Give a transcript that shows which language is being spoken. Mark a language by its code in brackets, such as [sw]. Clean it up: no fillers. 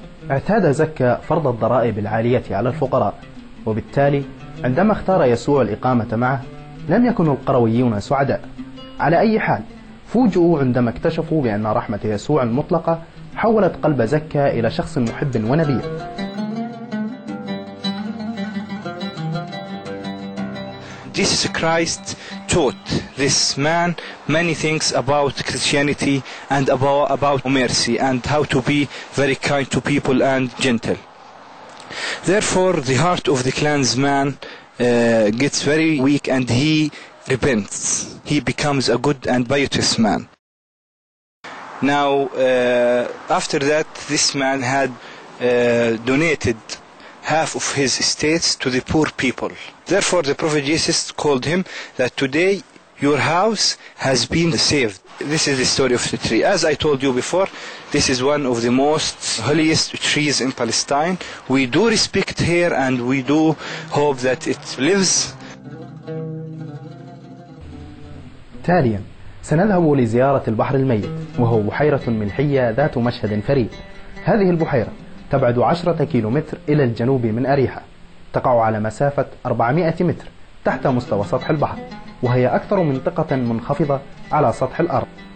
[ar] اعتاد زكة فرض الضرائب العالية على الفقراء، وبالتالي عندما اختار يسوع الإقامة معه لم يكن القرويون سعداء. على أي حال فوجئوا عندما اكتشفوا بأن رحمة يسوع المطلقة حولت قلب زكة إلى شخص محب ونبي. [en] Jesus Christ taught this man many things about Christianity and about mercy and how to be very kind to people and gentle. Therefore, the heart of the clansman gets very weak and he repents. He becomes a good and pious man. Now, after that, this man had donated half of his estates to the poor people. Therefore, the Prophet Jesus called him that today your house has been saved. This is the story of the tree. As I told you before, this is one of the most holiest trees in Palestine. We do respect here and we do hope that it lives. [ar] تاليا سنذهب لزيارة البحر الميت، وهو بحيرة ملحية ذات مشهد فريد. هذه البحيرة تبعد 10 كيلومتر إلى الجنوب من أريحة، تقع على مسافة 400 متر تحت مستوى سطح البحر، وهي أكثر منطقة منخفضة على سطح الأرض.